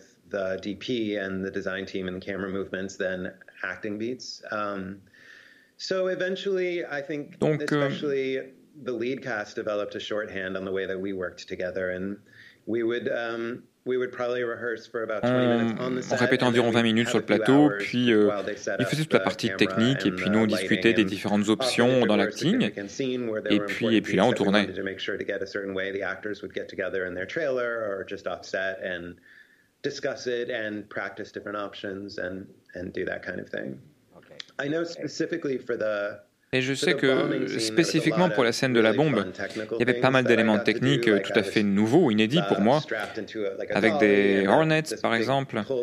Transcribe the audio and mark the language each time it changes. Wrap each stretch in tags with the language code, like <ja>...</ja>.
<en>The DP and the design team and the camera movements than acting beats. So eventually, I think especially the lead cast developed a shorthand on the way that we worked together, and we would probably rehearse for about 20 minutes on the set.</en> <fr>On répétait environ 20 minutes sur le plateau, puis ils faisaient toute la partie technique, et puis nous on discutait des différentes options dans l'acting, et puis là on tournait.</fr> <en>To make sure to get a certain way the actors would get together in their trailer or just off set and discuss it and practice different options and do that kind of thing. Okay. I know specifically for the</en> <fr>Et je sais que spécifiquement pour la scène de la bombe, il y avait pas mal d'éléments techniques tout à fait nouveaux, inédits pour moi, avec des Hornets par exemple.</fr>